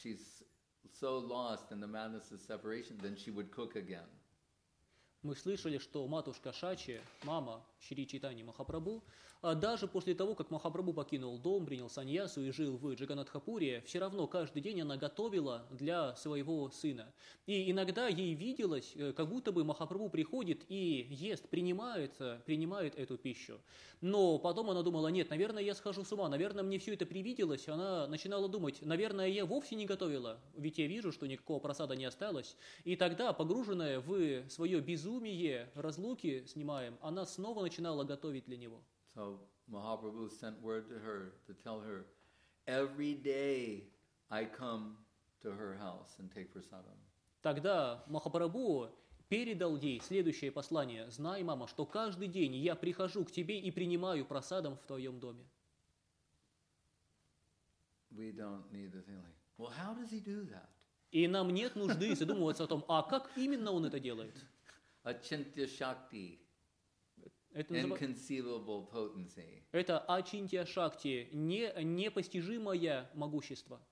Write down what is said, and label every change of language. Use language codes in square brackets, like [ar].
[en] She's so lost in the madness of separation, then she would cook again. [ru] Мы слышали, что матушка Шачи, мама Шри Чайтаньи Махапрабху, даже после того, как Махапрабху покинул дом, принял саньясу и жил в Джаганатхапуре, все равно каждый день она готовила для своего сына. И иногда ей виделось, как будто бы Махапрабху приходит и ест, принимает эту пищу. Но потом она думала, нет, наверное, я схожу с ума, наверное, мне все это привиделось. Она начинала думать, наверное, я вовсе не готовила, ведь я вижу, что никакого просада не осталось. И тогда, погруженная в свое безумие, разлуки снимаем, она снова начинала готовить для него. [en] So Mahaprabhu sent word to her to tell her, every day I come to her house and take prasadam. [ru] Тогда Махапрабху передал ей следующее послание. Знай, мама, что каждый день я прихожу к тебе и принимаю прасадам в твоем доме. [en] We don't need to think like, well, how does he do that? [ru] И нам нет нужды задумываться о том, а как именно он это делает? [sa] Ачинтья шакти. [en] Inconceivable potency. [ru] Это ачинтья шакти, непостижимое могущество.